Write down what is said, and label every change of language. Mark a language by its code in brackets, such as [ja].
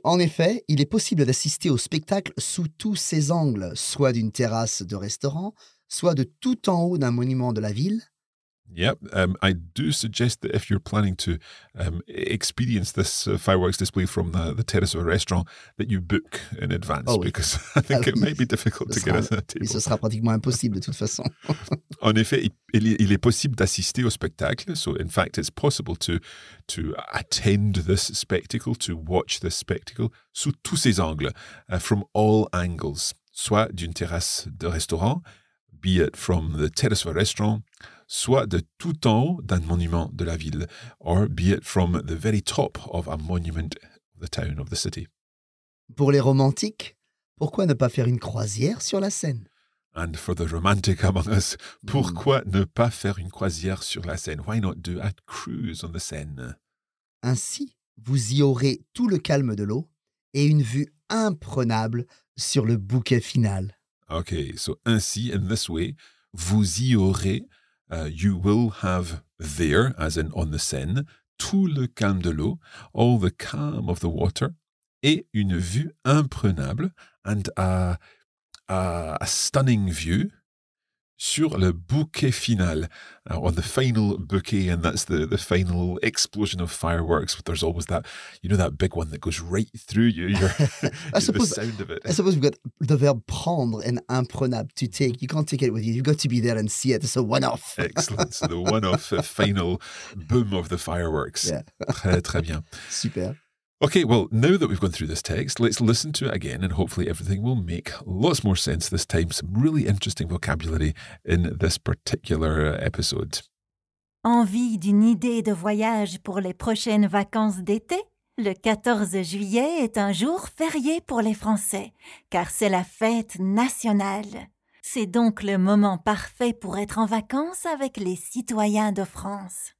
[fr] En effet, il est possible d'assister au spectacle sous tous ses angles, soit d'une terrasse de restaurant, soit de tout en haut d'un monument de la ville. [en] Yep, I do suggest that if you're planning to experience this fireworks display from the terrace of a restaurant, that you book in advance, [fr] oh, oui. [en] because I think [fr] ah, oui. [en] it might be difficult to get a table. [fr] Ce sera pratiquement impossible de toute façon. En effet, il est possible d'assister au spectacle. [en] So in fact, it's possible to attend this spectacle, to watch this spectacle [fr] sous tous ses angles, [en] from all angles, [fr] soit d'une terrasse de restaurant, [en] be it from the terrace of a restaurant, [fr] soit de tout en haut d'un monument de la ville, [en] or be it from the very top of a monument of the town of the city. [fr] Pour les romantiques, pourquoi ne pas faire une croisière sur la Seine? [en] And for the romantic among us, [fr] pourquoi ne pas faire une croisière sur la Seine? [en] Why not do a cruise on the Seine? [fr] Ainsi, vous y aurez tout le calme de l'eau et une vue imprenable sur le bouquet final. [en] Okay, so [fr] ainsi, [en] in this way, [fr] vous y aurez... [en] you will have there, as in on the Seine, [fr] tout le calme de l'eau, [en] all the calm of the water, [fr] et une vue imprenable, [en] and a stunning view, [fr] sur le bouquet final, [en] on the final bouquet, and that's the final explosion of fireworks. But there's always that, you know, that big one that goes right through you. I suppose we've got the verb prendre and imprenable, to take. You can't take it with you. You've got to be there and see it. It's a one-off. Excellent. So the one-off final boom of the fireworks. Yeah. [fr] Très, très bien. [en] Super. Okay, well, now that we've gone through this text, let's listen to it again and hopefully everything will make lots more sense this time. Some really interesting vocabulary in this particular episode. [fr] Envie d'une idée de voyage pour les prochaines vacances d'été? Le 14 juillet est un jour férié pour les Français, car c'est la fête nationale. C'est donc le moment parfait pour être en vacances avec les citoyens de France.